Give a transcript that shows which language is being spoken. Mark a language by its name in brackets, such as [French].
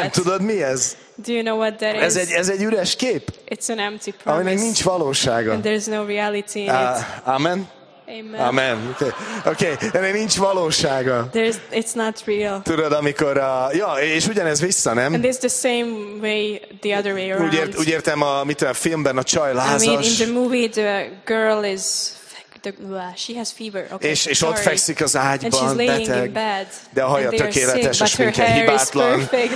[Hungarian] Nem, tudod mi ez? [English] Do you know what that is? [Hungarian] Ez egy üres kép. [English] It's an empty promise. [Hungarian] Aminek nincs valósága. [English] And there's no reality in it. Amen. Amen. [Hungarian] Okay. Ennek nincs valósága. [English] It's not real. [Hungarian] Tudod, amikor és ugyanez vissza, nem? [English] And it's the same way the other way around. [Hungarian] Úgy értem, mit a filmben a csaj lázas. [English] I mean, in the movie the girl is she has fever. Okay, [Hungarian] és ott fekszik az ágyban, beteg, de a haja tökéletes, és sminkje hibátlan.